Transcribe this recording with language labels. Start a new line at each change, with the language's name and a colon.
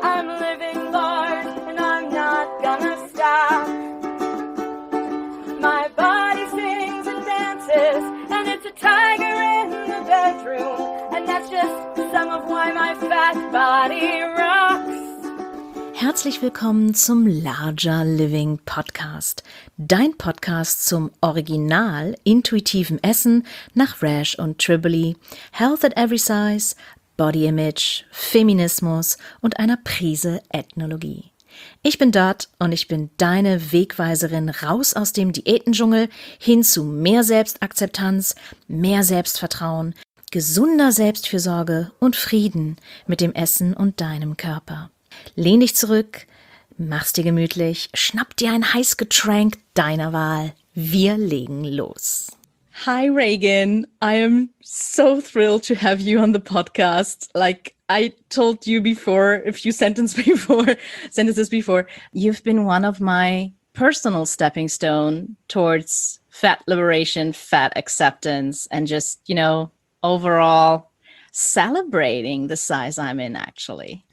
English: I'm living large and I'm not gonna stop. My body sings and dances and it's a tiger in the bedroom. And that's just some of why my fat body rocks.
German: Herzlich willkommen zum Larger Living Podcast, dein Podcast zum original intuitiven Essen nach Resch und Triboli, Health at Every Size, Body Image, Feminismus und einer Prise Ethnologie. Ich bin Dot und ich bin deine Wegweiserin raus aus dem Diätendschungel hin zu mehr Selbstakzeptanz, mehr Selbstvertrauen, gesunder Selbstfürsorge und Frieden mit dem Essen und deinem Körper. Lehn dich zurück, mach's dir gemütlich, schnapp dir ein Heißgetränk deiner Wahl. Wir legen los.
English: Hi Reagan, I am so thrilled to have you on the podcast. Like I told you before, a few sentences before, you've been one of my personal stepping stone towards fat liberation, fat acceptance and just, you know, overall celebrating the size I'm in actually.